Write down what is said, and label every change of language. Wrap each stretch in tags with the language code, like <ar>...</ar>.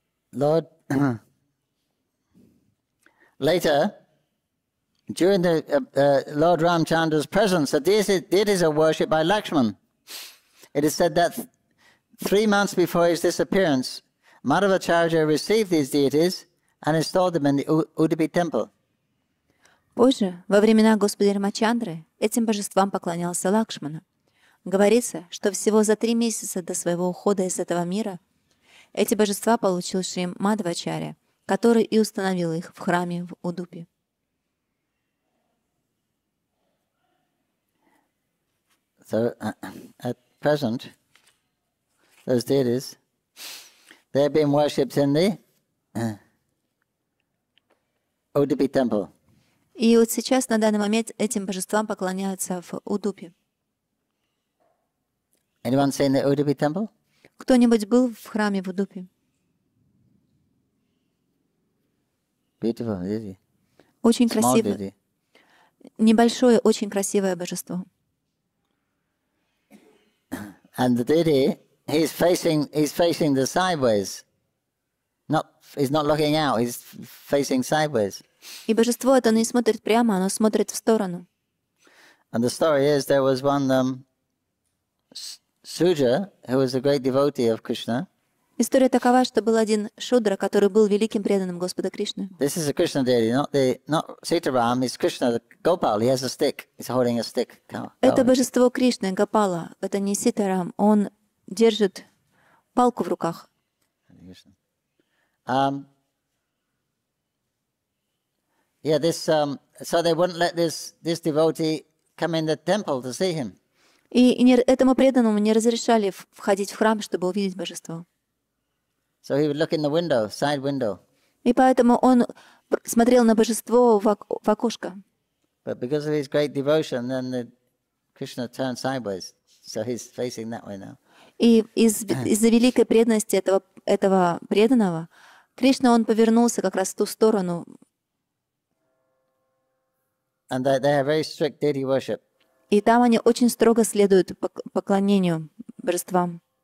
<en>Lord, later, during the Lord Ramchandra's presence, the deities are worshipped by Lakshman. It is said that three months before his disappearance, Madhvacharya received these deities and installed them in the Udupi temple.</en> <ru>Позже, во времена Господа Рамачандры, этим божествам поклонялся Лакшмана. Говорится, что всего за три месяца до своего ухода из этого мира эти божества получил Шри Мадхвачарья, который и установил их в храме в Удупи.</ru> <en>So, at present, those deities, they're being worshipped in the Udupi temple.</en> <ru>И вот сейчас, на данный момент, этим божествам поклоняются в Удупи.</ru> <en>Anyone seen the Udupi temple?</en> <ru>Кто-нибудь был в храме в Удупи?</ru> <en>Beautiful, really.</en> <ru>Очень красиво. Небольшое, очень красивое божество.</ru> <en>And the deity, he's facing the sideways. He's not looking out, he's facing sideways.</en> <ru>И божество это не смотрит прямо, оно смотрит в сторону.</ru> <en>And the story is there was one Sudra, who was a great devotee of Krishna.</en> <ru>История такова, что был один Шудра, который был великим преданным Господа Кришны.</ru> <en>This is a Krishna deity, not Sitaram, it's Krishna, the Gopal, he has a stick, he's holding a stick.</en> <ru>Это божество Кришны, Гопала, это не Ситарам, он держит палку в руках.</ru> <en>So they wouldn't let this devotee come in the temple to see him.</en> <ru>И этому преданному не разрешали входить в храм, чтобы увидеть божество.</ru> <en>So he would look in the window, side window.</en> <ru>И поэтому он смотрел на божество в окошко.</ru> <en>But because of his great devotion, then the Krishna turned sideways, so he's facing that way now.</en> <ru>И из-за великой преданности этого преданного Кришна он повернулся как раз в ту сторону.</ru> <en>And they have very strict deity worship.</en> <ru>И там они очень строго следуют поклонению божествам.</ru>